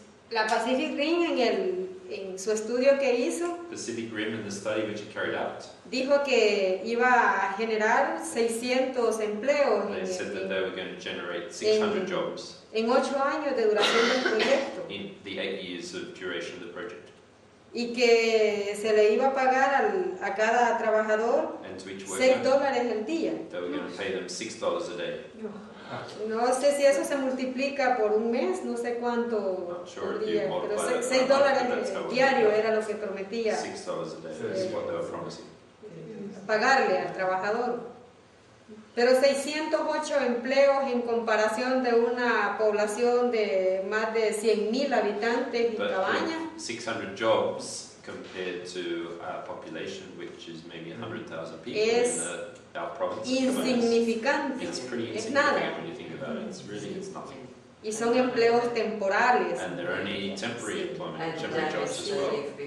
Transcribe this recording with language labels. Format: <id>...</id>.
<es>La Pacific Rim en su estudio que hizo,</es> <en>Pacific Rim in the study which he carried out,</en> <es>dijo que iba a generar 600 empleos.</es> <en>They said that they were going to generate 600 jobs.</en> <es>En 8 años de duración del proyecto.</es> <en>In the 8 years of duration of the project.</en> <es>Y que se le iba a pagar a cada trabajador $6 el día.</es> <en>They were going to pay them $6 a day.</en> <es>No sé si eso se multiplica por un mes, no sé cuánto</es> <en>sure</en> <es>día, pero $6 diario era lo que prometía.</es> <en>$6 a day, that's what they were promising.</en> <es>Pagarle al trabajador. Pero 608 empleos en comparación de una población de más de 100,000 habitantes y cabañas.</es> <en>600 jobs compared to a population which is maybe 100,000 people in our province.</en> <es>Insignificante.</es> <en>It's pretty insignificant when you think about it. It's really, it's nothing.</en> <es>Y son empleos temporales.</es> <en>And they're only temporary employment, temporary jobs as well.</en>